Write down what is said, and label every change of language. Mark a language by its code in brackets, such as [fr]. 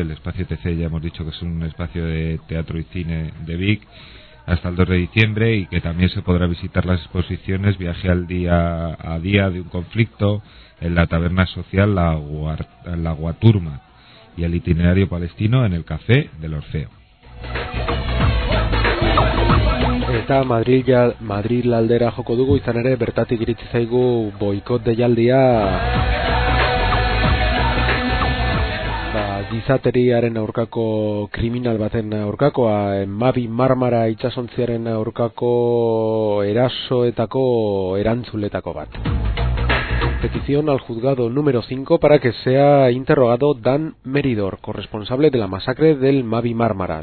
[es] El espacio ETC, ya hemos dicho que es un espacio de teatro y cine de Vic, hasta el 2 de diciembre, y que también se podrá visitar las exposiciones Viaje al día a día de un conflicto, en la taberna social La Guaturma, y el itinerario palestino en el Café del Orfeo. [eu] Eta Madrid aldera joko dugu, izan ere bertatik iritsi zaigu boikot deialdia gizateriaren aurkako kriminal baten aurkakoa, Mavi Marmara itsasontziaren aurkako erasoetako erantzuletako bat. [es] petición al juzgado número 5 para que sea interrogado Dan Meridor, corresponsable de la masacre del Mavi Mármara.